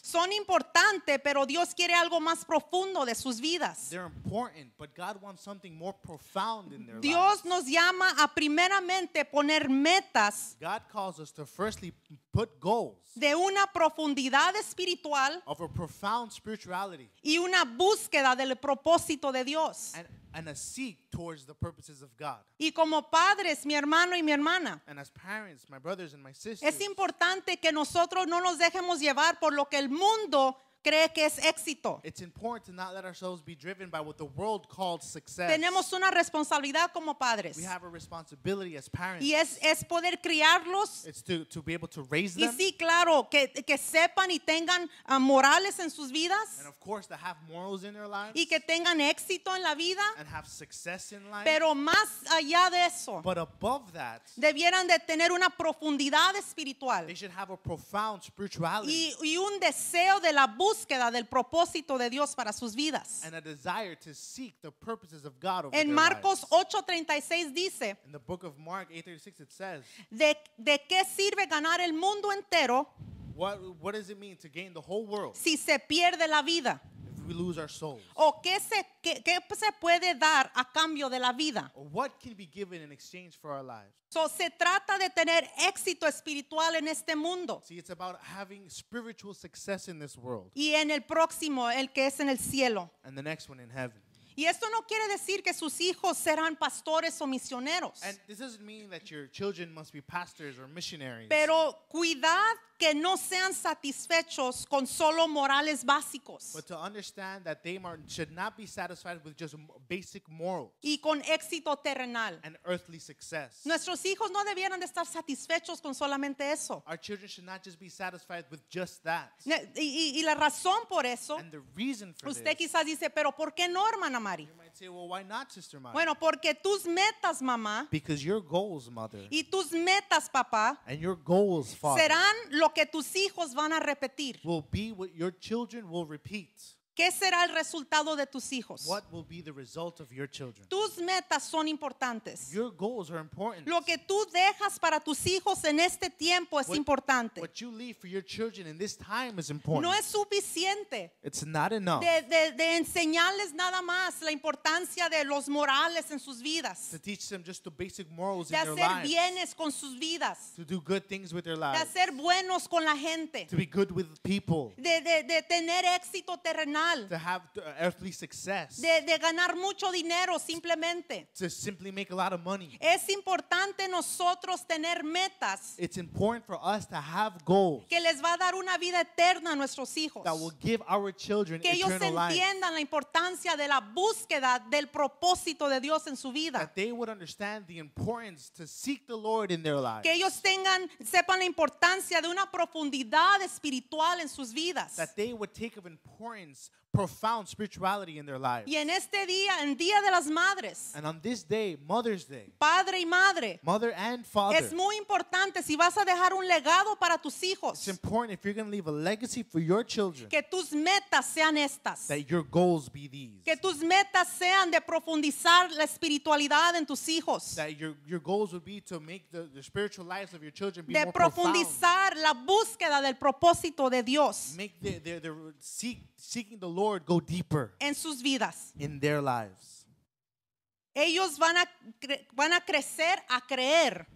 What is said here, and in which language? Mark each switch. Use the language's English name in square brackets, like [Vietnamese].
[Spanish] Son importante, pero Dios quiere algo más profundo de sus vidas. [English] They're important, but God wants something more profound in their lives. [Spanish] Dios nos llama a primeramente poner metas. [English] God calls us to firstly put goals. [Spanish] De una profundidad espiritual. [English] Of a profound spirituality. [Spanish] Y una búsqueda del propósito de Dios. [English] And a seek towards the purposes of God. [Spanish] Y como padres, mi hermano y mi hermana, [English] and as parents, my brothers and my sisters, [Spanish] es importante que nosotros no nos dejemos llevar por lo que el mundo cree que es éxito. [English] It's important to not let ourselves be driven by what the world calls success. [Spanish] Tenemos una responsabilidad como padres. [English] We have a responsibility as parents. [Spanish] Y es poder criarlos. [English] It's to be able to raise them. [Spanish] Y sí, claro, que sepan y tengan morales en sus vidas. [English] And of course, to have morals in their lives. [Spanish] Y que tengan éxito en la vida. [English] And have success in life. [Spanish] Pero más allá de eso. [English] But above that. [Spanish] Debieran de tener una profundidad espiritual. [English] They should have a profound spirituality. [Spanish] Y un deseo de la búsqueda del propósito de Dios para sus vidas. [English] And a desire to seek the purposes of God over [Spanish] en [English] their [Spanish] Marcos [English] lives. [Spanish] 8:36 dice, [English] in the book of Mark 8:36 it says, [Spanish] de qué sirve ganar el mundo entero, [English] what does it mean to gain the whole world, [Spanish] si se pierde la vida, [English] if we lose our souls, [Spanish] o qué se puede dar a cambio de la vida, [English] or what can be given in exchange for our lives. [Spanish] So se trata de tener éxito espiritual en este mundo. [English] See, it's about having spiritual success in this world. [Spanish] Y en el próximo, el que es en el cielo. [English] And the next one in heaven. [Spanish] Y esto no quiere decir que sus hijos serán pastores o misioneros. [English] And this doesn't mean that your children must be pastors or missionaries. [Spanish] Pero cuidad que no sean satisfechos con solo morales básicos. [English] But to understand that they should not be satisfied with just basic morals. [Spanish] Y con éxito terrenal. [English] And earthly success. [Spanish] Nuestros hijos no debieran de estar satisfechos con solamente eso. [English] Our children should not just be satisfied with just that. [Spanish] Y la razón por eso. [English] And the reason for this. [Spanish] Usted quizás dice, pero ¿por qué no, hermana Mari? [English] Say, well, why not, Sister Mari? [Spanish] Bueno, porque tus metas, mamá, [English] because your goals, mother, [Spanish] y tus metas, papá, [English] and your goals, father, [Spanish] serán lo que tus hijos van a repetir. [English] Will be what your children will repeat. [Spanish] ¿Qué será el resultado de tus hijos? [English] What will be the result of your children? [Spanish] Tus metas son importantes. [English] Your goals are important. [Spanish] Lo que tú dejas para tus hijos en este tiempo es importante. [English] What you leave for your children in this time is important. [Spanish] No es suficiente. [English] It's not enough. [Spanish] De enseñarles nada más la importancia de los morales en sus vidas. [English] To teach them just the basic morals in their lives. [Spanish] De hacer bienes con sus vidas. [English] To do good things with their lives. [Spanish] De hacer buenos con la gente. [English] To be good with people. [Spanish] De tener éxito terrenal. [English] To have earthly success. [Spanish] De ganar mucho dinero simplemente. [English] To simply make a lot of money. [Spanish] Es importante nosotros tener metas. [English] It's important for us to have goals. [Spanish] Que les va a dar una vida eterna a nuestros hijos. [English] That will give our children [Spanish] que [English] eternal [Spanish] ellos entiendan [English] life. [Spanish] Entiendan la importancia de la búsqueda del propósito de Dios en su vida. [English] That they would understand the importance to seek the Lord in their lives. [Spanish] Que ellos tengan, sepan la importancia de una profundidad espiritual en sus vidas. [English] That they would take of importance profound spirituality in their lives. [Spanish] Y en este día, en día de las madres, [English] and on this day, Mother's Day, [Spanish] padre y madre, [English] mother and father, [Spanish] es muy importante si vas a dejar un legado para tus hijos. [English] It's important if you're going to leave a legacy for your children. [Spanish] Que tus metas sean estas. [English] That your goals be these. [Spanish] Que tus metas sean de profundizar la espiritualidad en tus hijos. [English] That your goals would be to make the spiritual lives of your children be [Spanish] de [English] more [Spanish] profundizar [English] profound. [Spanish] La búsqueda del propósito de Dios. [English] Make the seeking the Lord go deeper [Spanish] en sus vidas. [English] In their lives. [Spanish] Ellos van a crecer a creer.